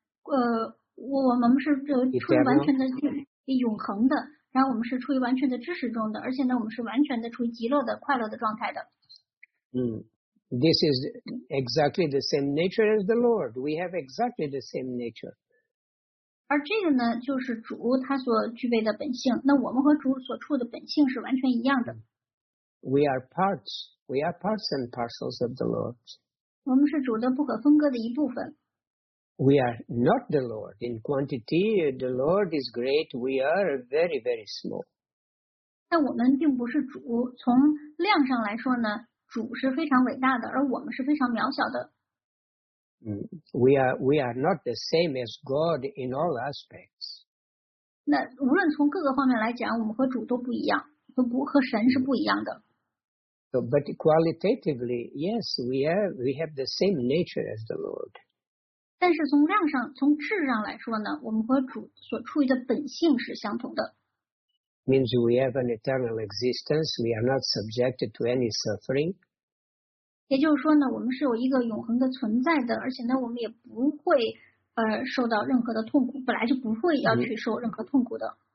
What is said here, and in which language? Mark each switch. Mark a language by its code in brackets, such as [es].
[zh] 我们是这处于完全的永恒的，然后我们是处于完全的知识中的，而且呢，我们是完全的处于极乐的快乐的状态的。嗯。 [en] This is exactly the same nature as the Lord. We have exactly the same nature. [zh] 而这个呢，就是主他所具备的本性。那我们和主所处的本性是完全一样的。 [en] We are parts. We are parts and parcels of the Lord. [zh] 我们是主的不可分割的一部分。 [en] We are not the Lord. In quantity, the Lord is great. We are very, very small. [zh] 但我们并不是主。从量上来说呢，主是非常伟大的，而我们是非常渺小的。 [en] We are not the same as God in all aspects. [zh] 那无论从各个方面来讲，我们和主都不一样，和神是不一样的。 [en] But qualitatively, yes, we have the same nature as the Lord. [zh] 但是从量上，从质上来说呢，我们和主所处于的本性是相同的。 [en] Means we have an eternal existence. We are not subjected to any suffering. [zh] 也就是说呢，我们是有一个永恒的存在的，而且呢，我们也不会受到任何的痛苦，本来就不会要去受任何痛苦的。